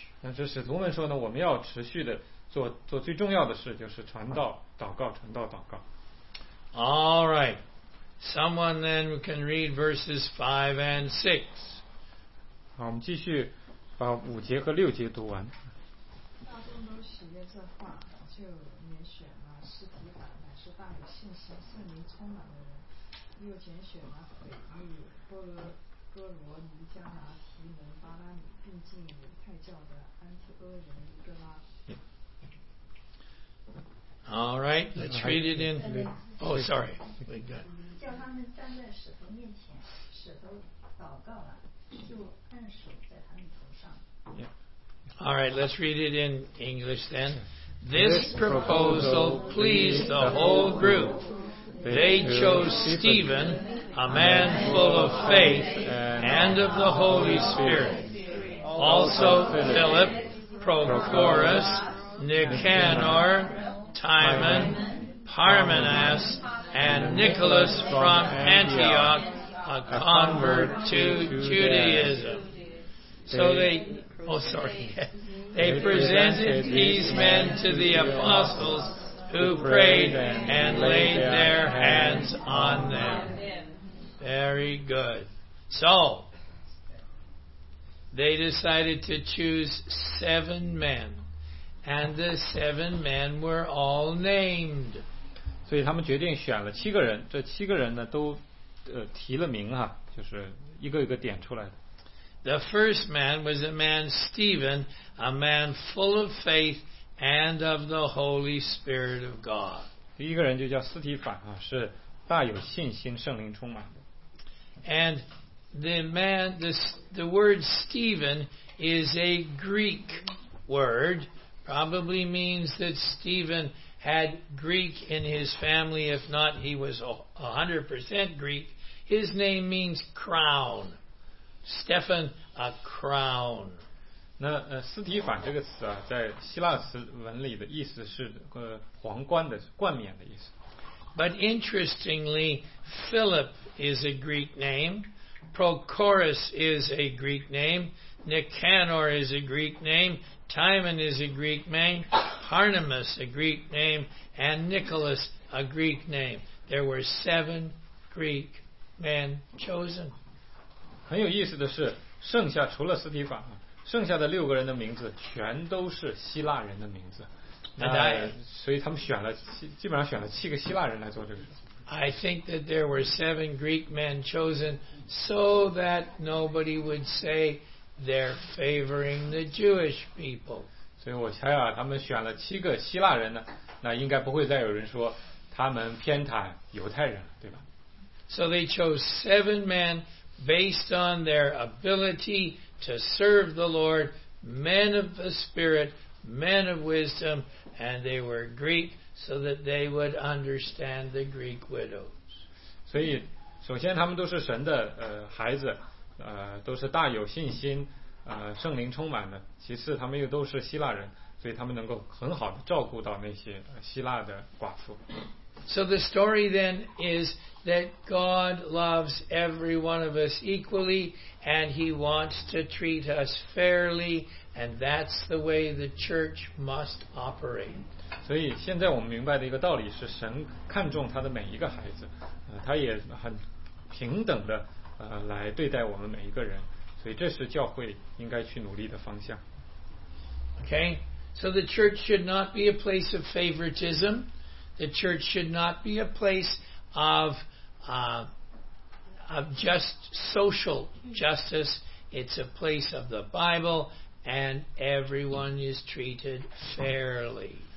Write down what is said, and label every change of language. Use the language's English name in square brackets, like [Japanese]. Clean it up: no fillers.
[Chinese] 但是使徒们说呢，我们要持续的做最重要的事，就是传道、祷告、传道、祷告。 [English] All right. Someone then can read verses 5 and 6. [Chinese] 好，我们继续把五节和六节读完。大众都喜悦这话，就免选了施提反，乃是大有信心、圣灵充满的人，又拣选了腓力、哥罗尼加拿、提门、巴拉米，并进犹太教的安提阿人尼哥拉。 [English] All right, let's read it in. Oh, sorry. Good. [Chinese] 叫他们站在使徒面前，使徒祷告了，就按手在他们头上。 [English] Yeah. All right, let's read it in English then. This proposal pleased the whole group. They chose Stephen, a man full of faith and of the Holy Spirit. Also Philip, Prochorus, Nicanor, Timon, Parmenas, and Nicholas from Antioch, a convert to Judaism. So they presented these men to the apostles, who prayed and laid their hands on them. Very good. So they decided to choose 7 men. And the 7 men were all named. [Chinese] 所以他们决定选了七个人，这七个人呢都提了名哈，就是一个一个点出来的。 [English] The first man was a man Stephen, a man full of faith and of the Holy Spirit of God. [Chinese] 第一个人就叫斯提反啊，是大有信心、圣灵充满的。 [English] And the man, the word Stephen is a Greek word, probably means that Stephen had Greek in his family, if not he was 100% Greek. His name means crown. Stephen, a crown. [Chinese] 那斯提凡这个词啊，在希腊词文里的意思是皇冠的冠冕的意思。 [English] But interestingly, Philip is a Greek name. Prochorus is a Greek name. Nicanor is a Greek name. Timon is a Greek name. Parnemius a Greek name. And Nicholas a Greek name. There were seven Greek men chosen. [Chinese] 很有意思的是，剩下除了斯提凡啊。剩下的六个人的名字全都是希腊人的名字，那所以他们选了基本上选了七个希腊人来做这个事。 [English] I think that there were seven Greek men chosen so that nobody would say they're favoring the Jewish people. [Chinese] 所以我猜啊，他们选了七个希腊人呢，那应该不会再有人说他们偏袒犹太人，对吧 [English] ？So they chose seven men based on their ability. To serve the Lord, men of the Spirit, men of wisdom, and they were Greek, so that they would understand the Greek widows. [Chinese] 所以，首先他们都是神的孩子，都是大有信心，圣灵充满的。其次，他们又都是希腊人，所以他们能够很好的照顾到那些希腊的寡妇。 [English] So the story then is that God loves every one of us equally and he wants to treat us fairly and that's the way the church must operate. [Chinese] 所以现在我们明白的一个道理是神看重他的每一个孩子他也很平等的来对待我们每一个人所以这是教会应该去努力的方向。 [English] Okay, so the church should not be a place of favoritism. The church should not be a place of just social justice. It's a place of the Bible, and everyone is treated fairly.